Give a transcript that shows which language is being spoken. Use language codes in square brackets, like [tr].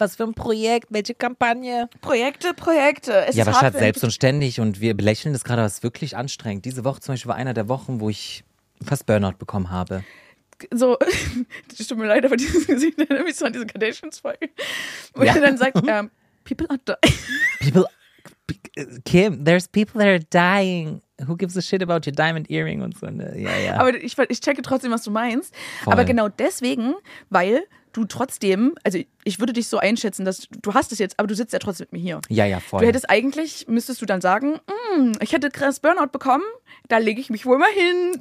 [de] Was für ein Projekt? Welche Kampagne? Projekte. Ja, aber statt selbst und ständig, und wir belächeln das gerade, was wirklich anstrengend. Diese Woche zum Beispiel war einer der Wochen, wo ich fast Burnout bekommen habe. So, tut mir leid, aber dieses Gesicht erinnert mich so an diese Kardashians-Folge. Wo er dann sagt, [en] people are dying. People, Kim, there's people that are dying. Who gives a shit about your diamond earring [de] und so. Ne? Ja, ja. Aber ich checke trotzdem, was du meinst. Voll. Aber genau deswegen, weil du trotzdem, also ich würde dich so einschätzen, dass du hast es jetzt, aber du sitzt ja trotzdem mit mir hier. Ja, ja, voll. Du hättest eigentlich, müsstest du dann sagen, ich hätte krass Burnout bekommen, da lege ich mich wohl mal hin,